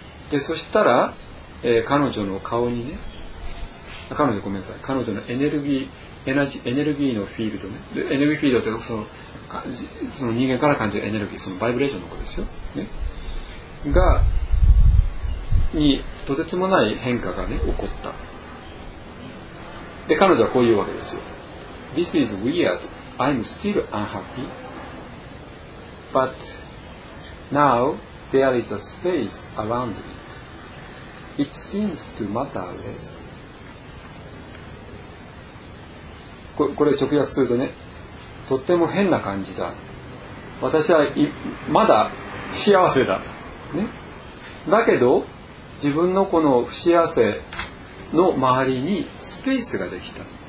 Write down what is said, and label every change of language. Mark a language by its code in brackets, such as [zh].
[ja] けで、そしたら、彼女の顔にね、彼女のエネルギーのフィールドね、でエネルギーフィールドってその人間から感じるエネルギー、そのバイブレーションのことですよ、ね、がにとてつもない変化がね起こった。で彼女はこう言うわけですよ。 [en] This is weird. I'm still unhappy. But now there is a space around it. It seems to matter less. [ja] これ直訳するとね、とっても変な感じだ。私はまだ不幸せだ、ね、だけど自分のこの不幸せの周りにスペースができた。